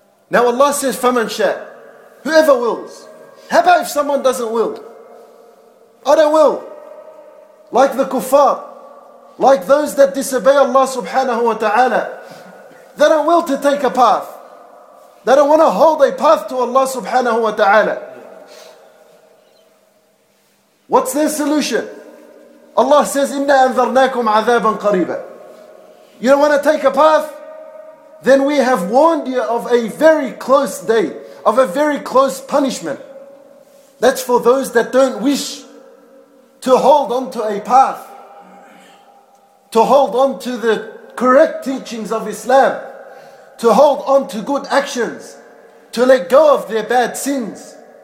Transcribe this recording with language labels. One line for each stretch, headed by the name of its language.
English: Now Allah says, فَمَنْ شَاءَ, whoever wills. How about if someone doesn't will? I don't will. Like the kuffar, like those that disobey Allah subhanahu wa ta'ala, they don't will to take a path. They don't want to hold a path to Allah subhanahu wa ta'ala. What's their solution?
Arabic: Allah says, إِنَّا أَنذَرْنَاكُمْ عَذَابًا قَرِيبًا.
English: You don't want to take a path? Then we have warned you of a very close day, of a very close punishment. That's for those that don't wish to hold on to a path, to hold on to the correct teachings of Islam, to hold on to good actions, to let go of their bad sins.